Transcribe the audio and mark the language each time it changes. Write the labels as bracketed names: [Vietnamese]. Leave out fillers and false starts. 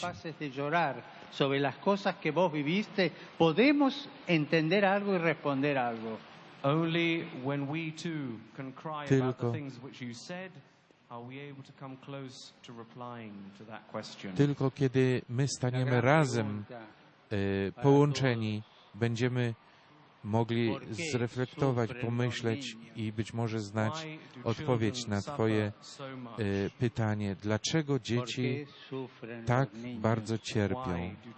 [Spanish] Capaces de llorar sobre las cosas que vos viviste, podemos entender algo y responder algo. [English] Only when we too can cry about the things which you said, are we able to come close to replying to that question. [Polish] Tylko kiedy my staniemy razem połączeni, będziemy mogli zreflektować, pomyśleć i być może znać odpowiedź na twoje pytanie. Dlaczego dzieci tak bardzo cierpią?